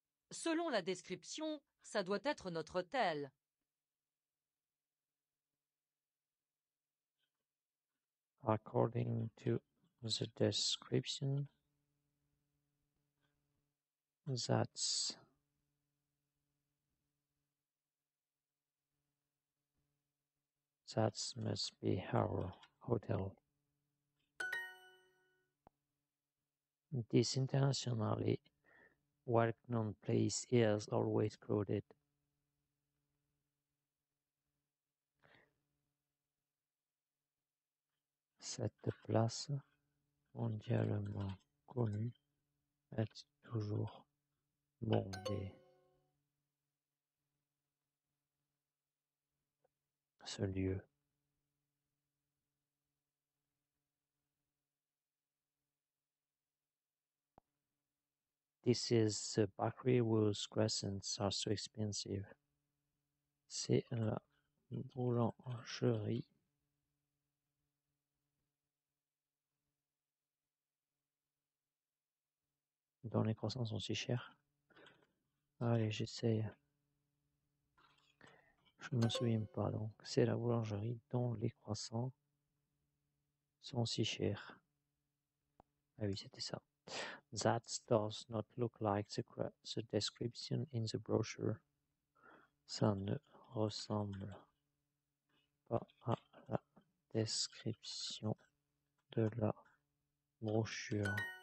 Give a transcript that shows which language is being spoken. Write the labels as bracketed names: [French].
[French] Selon la description, ça doit être notre hôtel. [English] According to the description, that's that must be our hotel. This internationally well-known place is always crowded. [French] Cette place mondialement connue est toujours bondée. Ce lieu. [English] This is the bakery whose croissants are so expensive. [French] C'est la boulangerie dont les croissants sont si chers. Allez, j'essaye. Je ne me souviens pas, donc c'est la boulangerie dont les croissants sont si chers. Ah oui, c'était ça. [English] That does not look like the description in the brochure. [French] Ça ne ressemble pas à la description de la brochure.